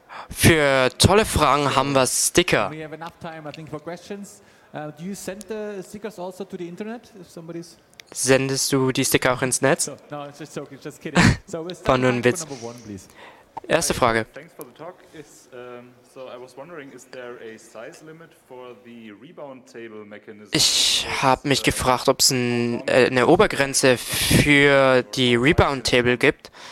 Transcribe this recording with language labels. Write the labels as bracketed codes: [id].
[de] Für tolle Fragen haben wir Sticker. [en] We have enough time, I think, for questions. Do you send the stickers also to the internet? If somebody's... [de] Sendest du die Sticker auch ins Netz? [en] No, it's just joking, just kidding. So we'll start with number one, please. [de] Erste Frage. [en] Thanks for the talk. So I was wondering, is there a size limit for the rebound table mechanism? [de] Ich habe mich gefragt, ob es eine Obergrenze für die Rebound Table gibt.